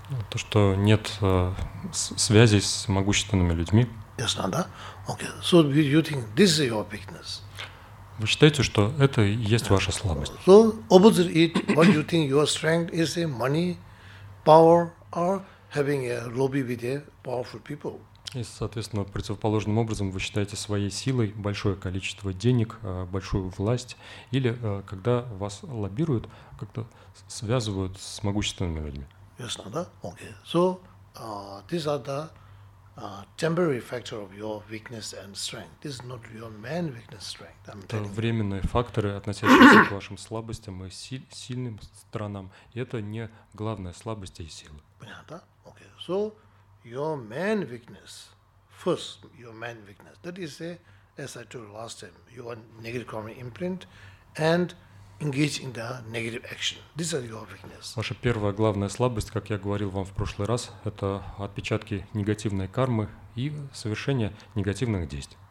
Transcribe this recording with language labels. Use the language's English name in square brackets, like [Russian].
[Russian] То, что нет связей с могущественными людьми. Ясно, да? [English] Okay. So you think this is your weakness? [Russian] Вы считаете, что это и есть ваша слабость? [English] So opposite it, what you think your strength is in money, power, or having a lobby with a powerful people? [Russian] И, соответственно, противоположным образом вы считаете своей силой большое количество денег, большую власть, или когда вас лоббируют, как-то связывают с могущественными людьми. Ясно, да? Okay. [English] So these are the temporary factor of your weakness and strength. This is not your main weakness, strength. [Russian] Это временные факторы, относящиеся к вашим слабостям и сильным сторонам. И это не главная слабость и сила. Понятно? Okay. [English] So your main weakness, first, your main weakness. That is, as I told you last time, your negative karma imprint and engage in the negative action. This is your weakness. [Russian] Ваша первая главная слабость, как я говорил вам в прошлый раз, это отпечатки негативной кармы и совершение негативных действий.